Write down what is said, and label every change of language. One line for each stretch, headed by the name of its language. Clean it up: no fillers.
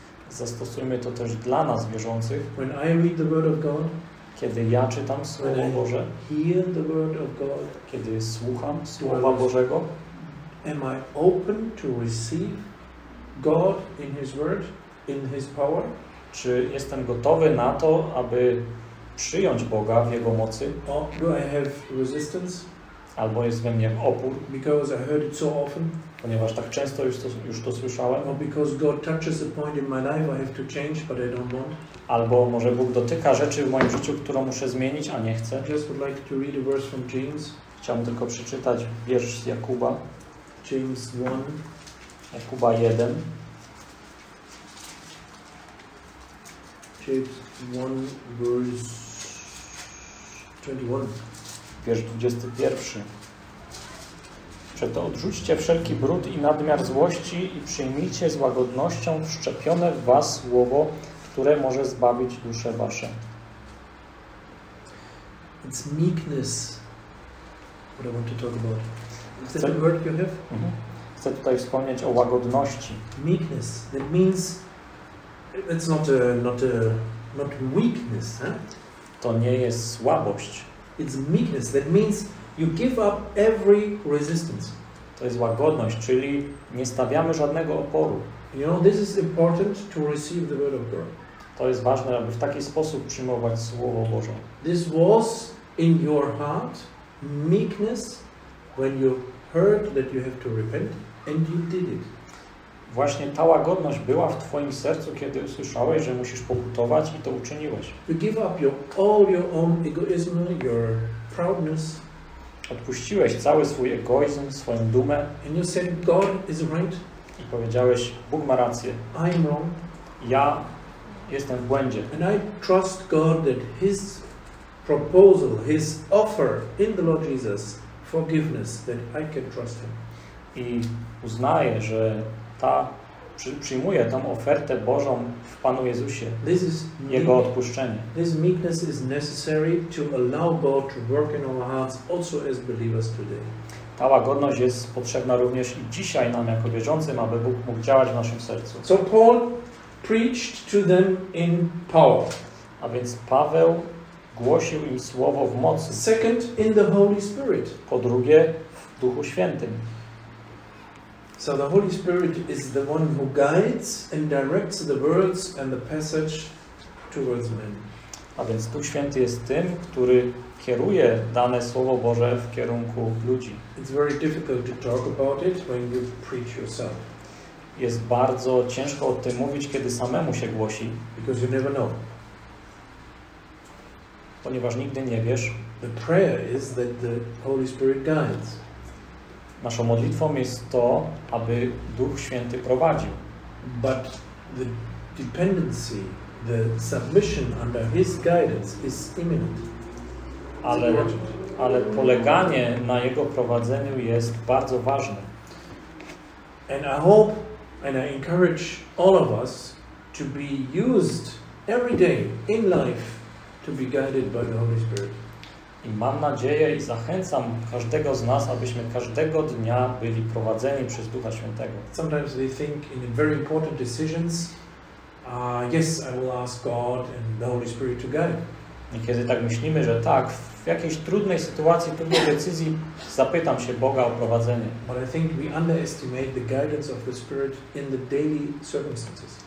Polish: Zastosujmy to też dla nas wierzących.
English: When I read the word of God,
Polish: kiedy ja czytam Słowo Boże,
English: hear the word of God,
Polish: kiedy słucham Słowa Bożego,
English: am I open to receive God in His word, in His power?
Polish: Czy jestem gotowy na to, aby przyjąć Boga w Jego mocy?
English: Or do I have resistance?
Polish: Albo jest we mnie opór?
English: Because I heard it so often.
Polish: Ponieważ tak często już to słyszałem.
English: Or because God touches a point in my life, I have to change, but I don't want.
Polish: Albo może Bóg dotyka rzeczy w moim życiu, którą muszę zmienić, a nie chcę.
English: Just would like to read a verse from James.
Polish: Chciałbym tylko przeczytać wiersz z Jakuba.
English: James 1.
Polish: Jakuba 1.
English: James 1, verse 21.
Polish: wiersz 21. Przeto odrzućcie wszelki brud i nadmiar złości i przyjmijcie z łagodnością wszczepione w was słowo, które może zbawić dusze wasze.
English: It's meekness, what I want to talk about. Is that the word you have?
Polish: Chcę tutaj wspomnieć o łagodności.
English: Meekness, that means it's not weakness, huh?
Polish: To nie jest słabość.
English: It's meekness, that means you give up every resistance.
Polish: To jest łagodność, czyli nie stawiamy żadnego oporu.
English: You know, this is important to receive the word of God.
Polish: To jest ważne, aby w taki sposób przyjmować Słowo Boże.
English: This was in your heart meekness when you heard that you have to repent and you did it.
Polish: Właśnie ta łagodność była w twoim sercu, kiedy usłyszałeś, że musisz pokutować i to uczyniłeś.
English: You give up all your own egoism, your proudness.
Polish: Odpuściłeś cały swój egoizm, swoją dumę.
English: And you said God is right.
Polish: I powiedziałeś, Bóg ma rację.
English: I am wrong.
Polish: Ja jestem w błędzie.
English: And I trust God that his proposal, his offer in the Lord Jesus, forgiveness, that I can trust him.
Polish: I uznaję, że ta przyjmuje tą ofertę Bożą w Panu Jezusie.
English: This is
Polish: jego odpuszczenie.
English: This meekness is necessary to allow God to work in our hearts also as believers today.
Polish: Ta łagodność jest potrzebna również i dzisiaj nam jako wierzącym, aby Bóg mógł działać w naszym sercu.
English: So Paul preached to them in power.
Polish: A więc Paweł głosił im słowo w mocy.
English: Second, in the Holy Spirit.
Polish: Po drugie, w Duchu Świętym.
English: So the Holy Spirit is the one who guides and directs the words and the passage towards men.
Polish: A więc Duch Święty jest tym, który kieruje dane Słowo Boże w kierunku ludzi.
English: It's very difficult to talk about it when you preach yourself.
Polish: Jest bardzo ciężko o tym mówić, kiedy samemu się głosi.
English: Because you never know.
Polish: Ponieważ nigdy nie wiesz.
English: The prayer is that the Holy Spirit guides.
Polish: Naszą modlitwą jest to, aby Duch Święty prowadził.
English: But the dependency, the submission under his guidance is imminent.
Polish: Ale poleganie na jego prowadzeniu jest bardzo ważne.
English: And I hope and I encourage all of us to be used every day in life to be guided by the Holy Spirit.
Polish: I mam nadzieję i zachęcam każdego z nas, abyśmy każdego dnia byli prowadzeni przez Ducha Świętego.
English: Sometimes we think in very important decisions, yes, I will ask God and the Holy Spirit to guide.
Polish: Niekiedy tak myślimy, że tak, w jakiejś trudnej sytuacji, trudnej decyzji zapytam się Boga o prowadzenie.
English: But I think we underestimate the guidance of the Spirit in the daily circumstances.